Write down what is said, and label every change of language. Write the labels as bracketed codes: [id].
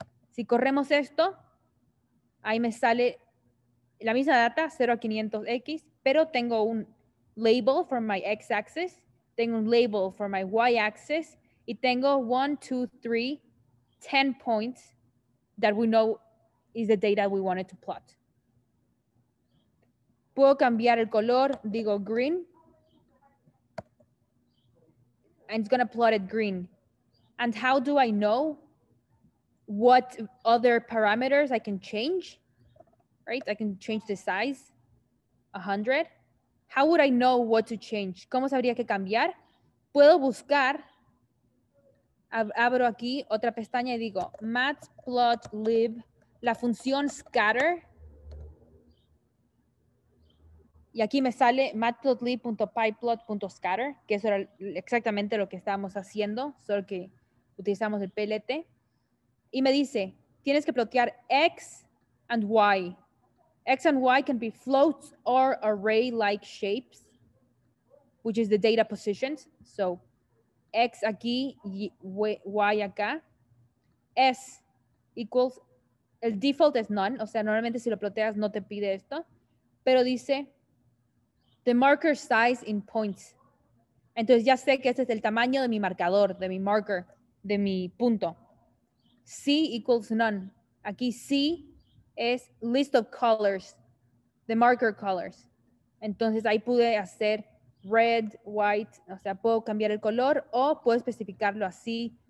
[es] Si corremos esto, ahí me sale la misma data, 0 a 500X, pero tengo un [en] label for my X axis, [es] tengo un [en] label for my Y axis [es] y tengo 1, 2, 3, 10 [en] points that we know is the data we wanted to plot. [es] Puedo cambiar el color, digo green. [en] And it's going to plot it green. And how do I know what other parameters I can change? Right? I can change the size, 100. How would I know what to change? [es] ¿Cómo sabría qué cambiar? Puedo buscar, abro aquí otra pestaña y digo matplotlib, la función scatter. Y aquí me sale matplotlib.pyplot.scatter, que eso era exactamente lo que estábamos haciendo, solo que utilizamos el PLT. Y me dice, tienes que plotear [en] X and Y. X and Y can be floats or array-like shapes, which is the data positions. [es] So X aquí, Y acá. S equals, el default es none. O sea, normalmente si lo ploteas no te pide esto. Pero dice [en] the marker size in points. [es] Entonces ya sé que este es el tamaño de mi marcador, de mi marker, de mi punto. [en] C equals none. [es] Aquí C es [en] list of colors, the marker colors. [es] Entonces ahí pude hacer red, white, o sea, puedo cambiar el color o puedo especificarlo así.